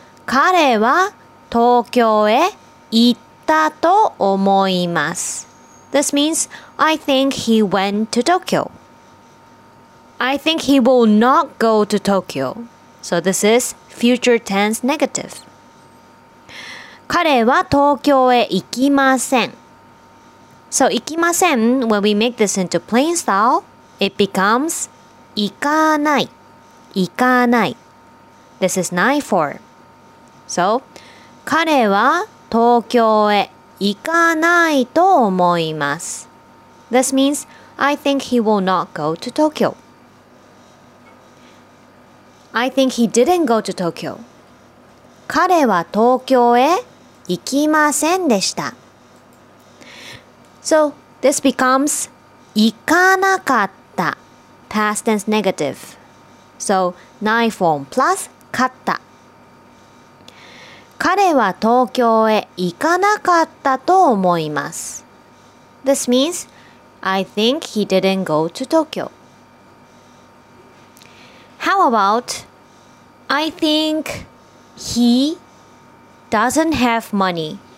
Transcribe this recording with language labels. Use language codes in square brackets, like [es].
[ja] 彼は東京へ行ったと思います。 [en] This means, I think he went to Tokyo. I think he will not go to Tokyo. So this is future tense negative. [ja] 彼は東京へ行きません。 [en] So 行きません, when we make this into plain style, it becomes [ja] 行かない。 [en] This is nai form. So [ja] 彼は東京へ行かないと思います。 [en] This means, I think he will not go to Tokyo. I think he didn't go to Tokyo. [ja] 彼は東京へ行きませんでした。 [en] So, this becomes [ja] 行かなかった。 [en] Past tense negative. So, nai form plus 買った。 [ja] 彼は東京へ行かなかったと思います。 [en] This means, I think he didn't go to Tokyo. How about, I think he doesn't have money.